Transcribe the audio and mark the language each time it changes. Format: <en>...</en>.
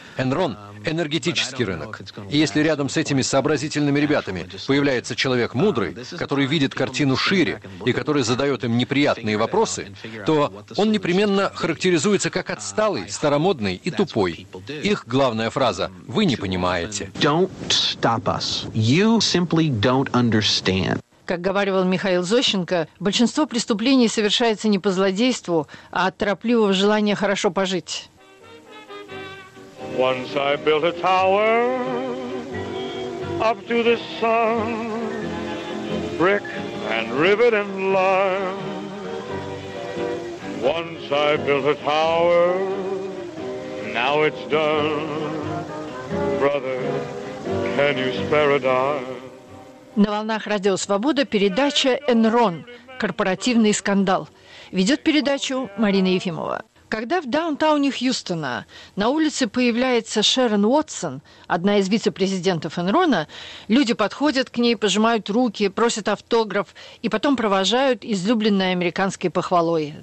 <ru>«Энрон» — энергетический рынок. И если рядом с этими сообразительными ребятами появляется человек мудрый, который видит картину шире и который задает им неприятные вопросы, то он непременно характеризуется как отсталый, старомодный и тупой. Их главная фраза — «Вы не понимаете».</ru> <en>Don't stop us. You simply don't understand.</en> <ru>Как говаривал Михаил Зощенко, большинство преступлений совершается не по злодейству, а от торопливого желания хорошо пожить.</ru> <en>Once I built a tower up to the sun, brick and rivet and lime. Once I built a tower, now it's done. Brother, can you spare a dime?</en> <ru>На волнах Радио Свобода передача «Энрон. Корпоративный скандал». Ведет передачу Марина Ефимова. Когда в даунтауне Хьюстона на улице появляется Шэрон Уотсон, одна из вице-президентов «Энрона», люди подходят к ней, пожимают руки, просят автограф и потом провожают излюбленной американской похвалой.</ru>